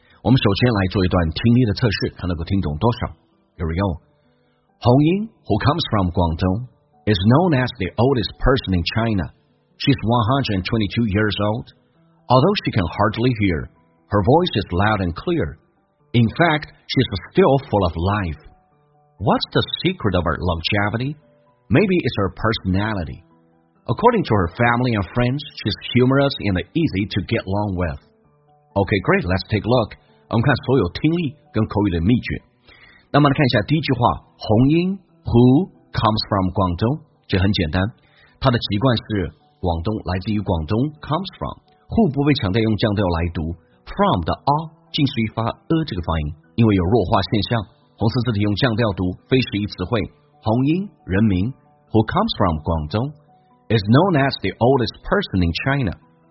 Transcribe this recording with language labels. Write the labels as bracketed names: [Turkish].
[Chinese] 我们首先来做一段听力的测试，看能够听懂多少。 [English] Here we go. Hong Ying, who comes from Guangdong, is known as the oldest person in China. She's 122 years old. Although she can hardly hear, her voice is loud and clear. In fact, she's still full of life. What's the secret of her longevity? Maybe it's her personality. According to her family and friends, she's humorous and easy to get along with. Okay, great, let's take a look. [Chinese] 我们看所有听力跟口语的秘诀。那么来看一下第一句话，红英 [English] who comes from [Chinese] 广东，这很简单，他的籍贯是广东，来自于广东 [English] comes from， [Chinese] who 不被强调用降调来读， from 的 a 近似于发 a 这个发音，因为有弱化现象，红色字体用降调读，非实义词汇，红英人名 who comes from 广东 [English] is known as the oldest person in China.